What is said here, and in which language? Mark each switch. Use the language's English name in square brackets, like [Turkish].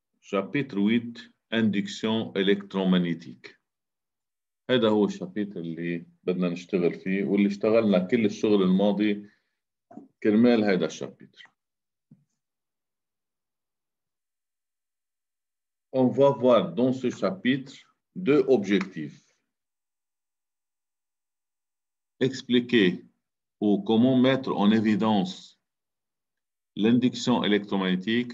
[French] Chapitre 8, induction électromagnétique. [Arabic] هذا هو الشابيتر اللي بدنا نشتغل فيه واللي اشتغلنا كل الشغل الماضي كرمال هذا الشابيتر. [French] On va voir dans ce chapitre deux objectifs. Expliquer ou comment mettre en évidence l'induction électromagnétique.